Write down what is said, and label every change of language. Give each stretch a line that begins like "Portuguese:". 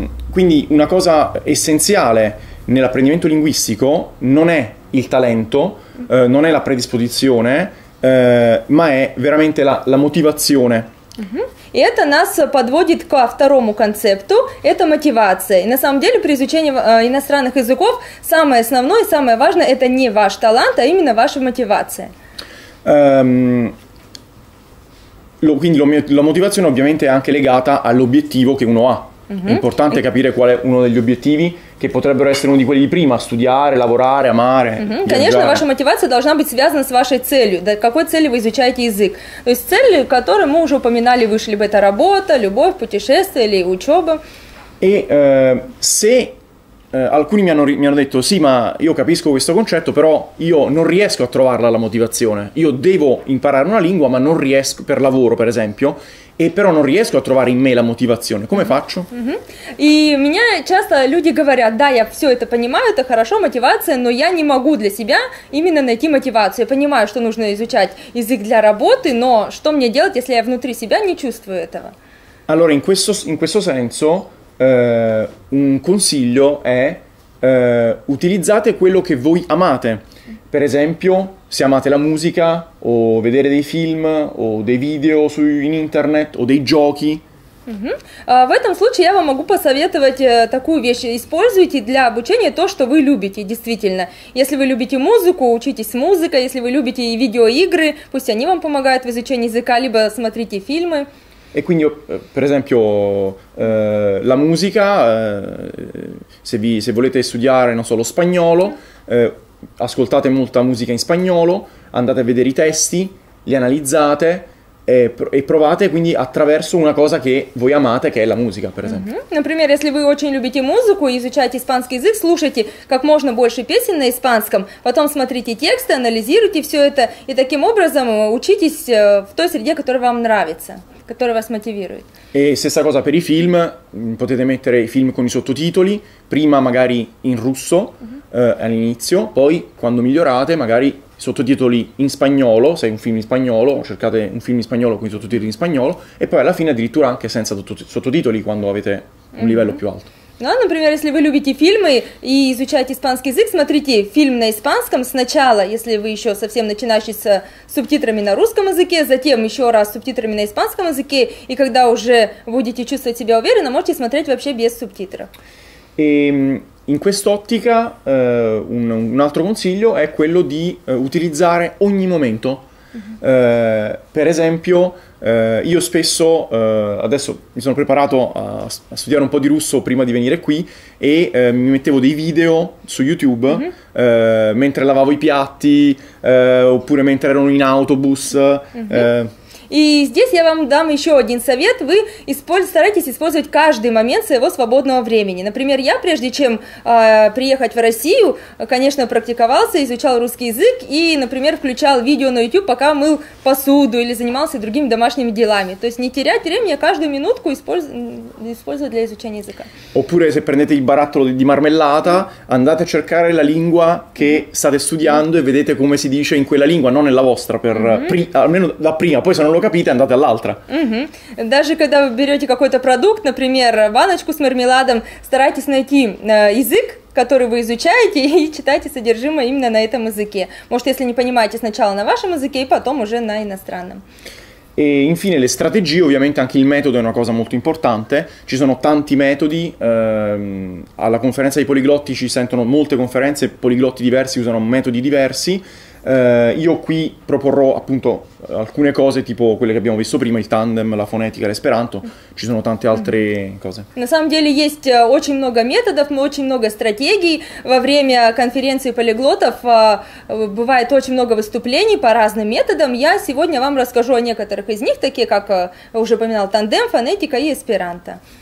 Italian: Quindi una cosa essenziale nell'apprendimento linguistico non è il talento, non è la predisposizione, ma è veramente la motivazione.
Russian: И это нас подводит ко второму концепту, это мотивация. И на самом деле при изучении иностранных языков самое основное, самое важное — это не ваш талант, а именно ваша мотивация.
Italian: Quindi la motivazione ovviamente è anche legata all'obiettivo che uno ha. È importante capire qual è uno degli obiettivi, che potrebbero essere uno di quelli di prima: studiare, lavorare, amare.
Russian: Конечно, ваша мотивация должна быть связана с вашей целью. Да, какой цели вы изучаете язык? То есть цель, которую мы уже упоминали выше, либо это работа, любовь, путешествие или учеба.
Italian: E se Alcuni mi hanno detto: sì, ma io capisco questo concetto, però io non riesco a trovarla la motivazione. Io devo imparare una lingua, ma non riesco, per lavoro, per esempio, e però non riesco a trovare in me la motivazione. Come faccio?
Russian: И меня часто люди говорят: "Да, я всё это понимаю, это хорошо, мотивация, но я не могу для себя именно найти мотивацию. Я понимаю, что нужно изучать язык для работы, но что мне делать, если я внутри себя не чувствую этого?"
Italian: Allora, in questo senso, un consiglio è: utilizzate quello che voi amate. Per esempio, se amate la musica, o vedere dei film, o dei video su in internet, o dei giochi.
Russian: В этом случае я вам могу посоветовать такую вещь. Используйте для обучения то, что вы любите, действительно. Если вы любите музыку, учитесь музыкой. Если вы любите видеоигры, пусть они вам помогают в изучении языка, либо смотрите фильмы.
Italian: E quindi, per esempio, la musica, se volete studiare, non so, lo spagnolo, ascoltate molta musica in spagnolo, andate a vedere i testi, li analizzate e provate quindi attraverso una cosa che voi amate, che è la musica, per esempio.
Russian: Например, если вы очень любите музыку и изучаете испанский язык, слушайте как можно больше песен на испанском, потом смотрите тексты, анализируйте все это, и таким образом учитесь в той среде, которая вам нравится. Которая вас мотивирует.
Italian: E stessa cosa per i film, potete mettere i film con i sottotitoli, prima magari in russo, all'inizio, poi quando migliorate magari sottotitoli in spagnolo, se è un film in spagnolo, cercate un film in spagnolo con i sottotitoli in spagnolo, e poi alla fine addirittura anche senza sottotitoli quando avete un livello più alto.
Russian: Да, например, если вы любите фильмы и изучаете испанский язык, смотрите фильм на испанском сначала, если вы еще совсем начинающий, с субтитрами на русском языке, затем еще раз с субтитрами на испанском языке, и когда уже будете чувствовать себя уверенно, можете смотреть вообще без субтитров.
Italian: E in quest'ottica un altro consiglio è quello di utilizzare ogni momento. Per esempio, io spesso, adesso mi sono preparato a studiare un po' di russo prima di venire qui e mi mettevo dei video su YouTube mentre lavavo i piatti oppure mentre ero in autobus.
Russian: И здесь я вам дам еще один совет. Вы старайтесь использовать каждый момент своего свободного времени. Например, я, прежде чем приехать в Россию, конечно, практиковался, изучал русский язык и, например, включал видео на YouTube, пока мыл посуду или занимался другими домашними делами. То есть не терять время, а каждую минутку использовать для изучения языка.
Italian: Oppure, se prendete il barattolo di marmellata, andate a cercare la lingua che state studiando e vedete come si dice in quella lingua, non nella vostra, almeno la prima, poi se non lo capite, andate all'altra.
Russian: Даже когда вы берете какой-то продукт, например, баночку с мармеладом, старайтесь найти язык, который вы изучаете, и читайте содержимое именно на этом языке. Может, если не понимаете, сначала на вашем языке, и потом уже на иностранном.
Italian: E infine le strategie, ovviamente anche il metodo è una cosa molto importante, ci sono tanti metodi, alla conferenza dei poliglotti ci sentono molte conferenze, poliglotti diversi usano metodi diversi, io qui proporrò appunto alcune cose tipo quelle che abbiamo visto prima, il tandem, la fonetica, l'esperanto, ci sono tante altre cose.
Russian: На самом деле есть очень много методов, очень много стратегий. Во время конференции полиглотов бывает очень много выступлений по разным методам. Я сегодня вам расскажу о некоторых из них, такие как уже упоминал тандем, фонетика и эсперанто.